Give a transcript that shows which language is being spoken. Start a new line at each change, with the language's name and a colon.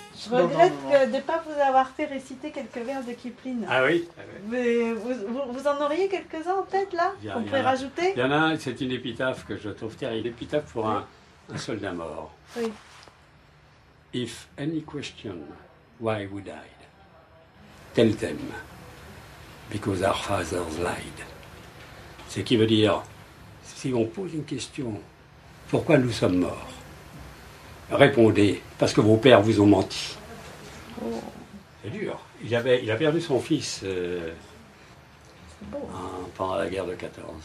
French: Je regrette de ne pas vous avoir fait réciter quelques vers de Kipling. Ah oui? Mais vous en auriez quelques-uns en tête là, qu'on pourrait rajouter? Il y en a, c'est une épitaphe que je trouve terrible, une épitaphe pour un soldat mort. Oui.
English: If any question, why we died? Tell them, because our fathers lied.
French: Ce qui veut dire, si on pose une question, pourquoi nous sommes morts? Répondez, parce que vos pères vous ont menti. C'est dur. Il a perdu son fils pendant la guerre de 14.